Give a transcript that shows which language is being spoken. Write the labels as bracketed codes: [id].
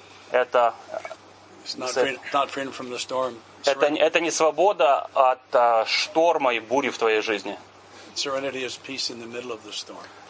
[ru] Это [en] not freedom from the storm. [ru] Это не свобода от шторма и бури в твоей жизни. [en] Serenity is peace in the middle of the storm.